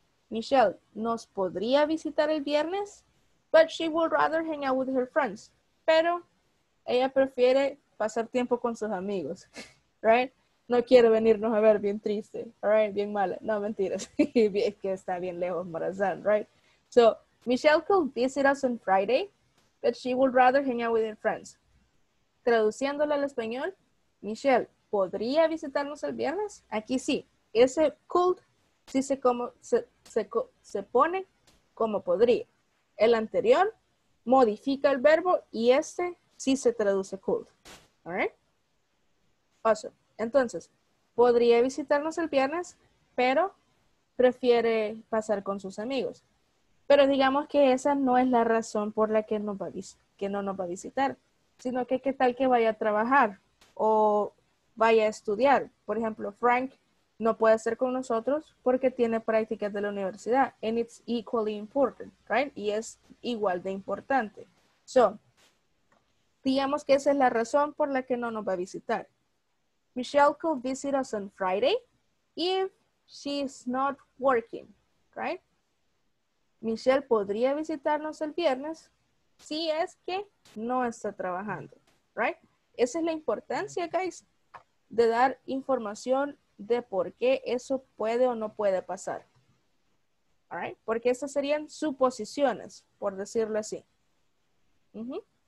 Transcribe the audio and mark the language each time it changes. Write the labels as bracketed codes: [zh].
[es] Michelle nos podría visitar el viernes, [en] but she would rather hang out with her friends. [es] Pero ella prefiere pasar tiempo con sus amigos, right? No quiere venirnos a ver bien triste, right? Bien mala. No, mentiras. Es que está bien lejos Morazán, right? [en] So, Michelle could visit us on Friday, but she would rather hang out with her friends. [es] Traduciéndola al español, Michelle, ¿podría visitarnos el viernes? Aquí sí. Ese could sí se pone como podría. El anterior modifica el verbo y este sí se traduce could. [en] All right? Awesome. [es] Entonces, podría visitarnos el viernes, pero prefiere pasar con sus amigos. Pero digamos que esa no es la razón por la que no nos va a visitar, sino que qué tal que vaya a trabajar o vaya a estudiar. Por ejemplo, Frank no puede estar con nosotros porque tiene prácticas de la universidad. [en] And it's equally important, right? [es] Y es igual de importante. So, digamos que esa es la razón por la que no nos va a visitar. [en] Michelle could visit us on Friday if she's not working, right? [es] Michelle podría visitarnos el viernes si es que no está trabajando, right? Esa es la importancia, guys, de dar información de por qué eso puede o no puede pasar. [en] All right? [es] Porque esas serían suposiciones, por decirlo así. Mm-hmm.